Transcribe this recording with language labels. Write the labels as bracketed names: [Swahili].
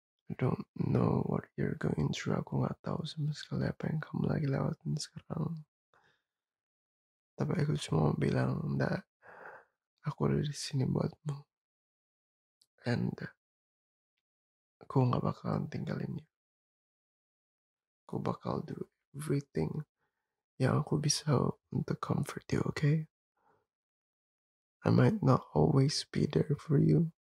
[English] I don't know what you're going through. [Indonesian] Aku gak tahu sama sekali apa yang kamu lagi lewatin sekarang. Tapi aku cuma mau bilang [English] that [Indonesian] aku ada di sini buatmu. [English] And [Indonesian] aku gak bakalan tinggalin [English] you. [Indonesian] Aku bakal [English] do everything [Indonesian] yang aku bisa untuk [English] comfort you, okay? I might not always be there for you.